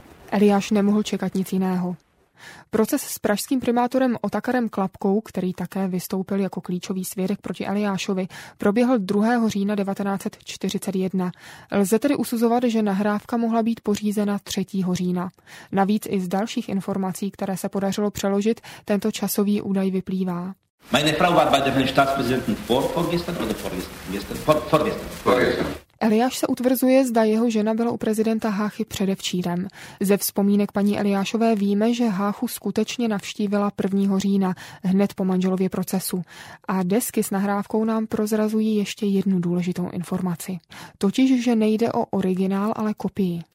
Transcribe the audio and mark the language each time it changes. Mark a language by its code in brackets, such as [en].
[cs] Eliáš nemohl čekat nic jiného. Proces s pražským primátorem Otakarem Klapkou, který také vystoupil jako klíčový svědek proti Eliášovi, proběhl 2. října 1941. Lze tedy usuzovat, že nahrávka mohla být pořízena 3. října. Navíc i z dalších informací, které se podařilo přeložit, tento časový údaj vyplývá. [de] Meine Frau war bei dem Staatspräsidenten vorgestern. [cs] Eliáš se utvrzuje, zda jeho žena byla u prezidenta Háchy předevčírem. Ze vzpomínek paní Eliášové víme, že Háchu skutečně navštívila 1. října, hned po manželově procesu. A desky s nahrávkou nám prozrazují ještě jednu důležitou informaci. Totiž, že nejde o originál, ale kopii.